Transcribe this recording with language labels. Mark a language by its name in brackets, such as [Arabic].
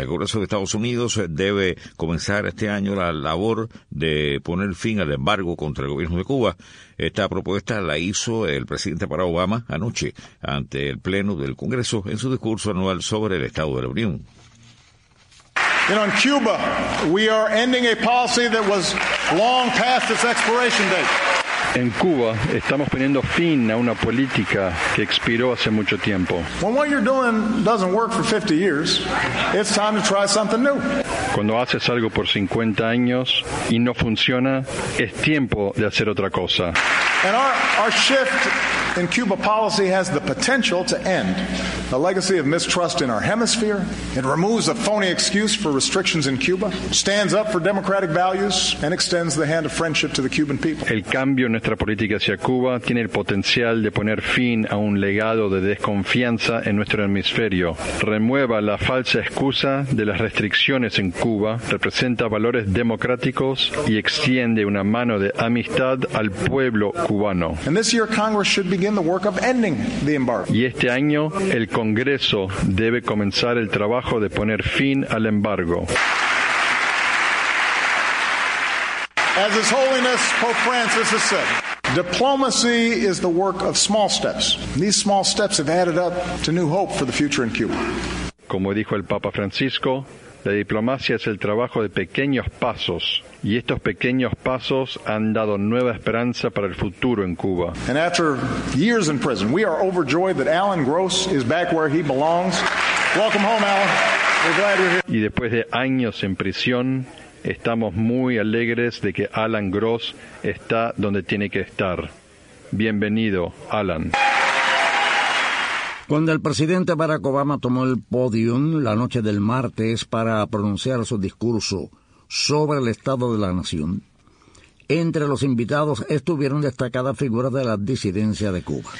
[Spanish] El Congreso de Estados Unidos debe comenzar este año la labor de poner fin al embargo contra el gobierno de Cuba. Esta propuesta la hizo el presidente Barack Obama anoche ante el Pleno del Congreso en su discurso anual sobre el Estado de la Unión. [English] You know, in Cuba, we are ending a policy that was long past its expiration date. [Spanish] En Cuba estamos poniendo fin a una política que expiró hace mucho tiempo. [English] When what you're doing doesn't work for 50 years, it's time to try something new. [Spanish] Cuando haces algo por 50 años y no funciona, es tiempo de hacer otra cosa. [English] And our shift in Cuba policy has the potential to end the legacy of mistrust in our hemisphere. It removes a phony excuse for restrictions in Cuba, stands up for democratic values, and extends the hand of friendship to the Cuban people. [Spanish] El cambio en nuestra política hacia Cuba tiene el potencial de poner fin a un legado de desconfianza en nuestro hemisferio. Remueva la falsa excusa de las restricciones en Cuba, representa valores democráticos y extiende una mano de amistad al pueblo cubano. [English] And this year Congress should begin the work of ending the embargo. [Spanish] Y este año el Congreso debe comenzar el trabajo de poner fin al embargo. [English] As His Holiness Pope Francis has said, diplomacy is the work of small steps. And these small steps have added up to new hope for the future in Cuba. [Spanish] Como dijo el Papa Francisco, La diplomacia es el trabajo de pequeños pasos, y estos pequeños pasos han dado nueva esperanza para el futuro en Cuba. [English] And after years in prison, we are overjoyed that Alan Gross is back where he belongs. Welcome home, Alan. We're glad you're here. [Spanish] Y después de años en prisión, estamos muy alegres de que Alan Gross está donde tiene que estar. Bienvenido, Alan. Cuando el presidente Barack Obama tomó el podium la noche del martes para pronunciar su discurso sobre el estado de la nación, entre los invitados estuvieron destacadas figuras de la disidencia de Cuba.